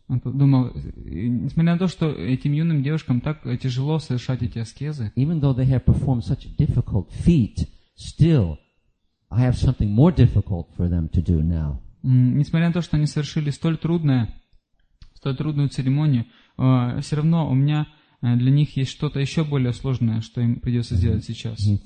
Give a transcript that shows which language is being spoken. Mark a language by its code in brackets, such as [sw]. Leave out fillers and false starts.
[ru] Он подумал, несмотря на то, что этим юным девушкам так тяжело совершать эти аскезы. [en] Even though they have performed such a difficult feat, still I have something more difficult for them to do now. [ru] Несмотря на то, что они совершили столь трудную церемонию, все равно у меня для них есть что-то еще более сложное, что им придется сделать сейчас.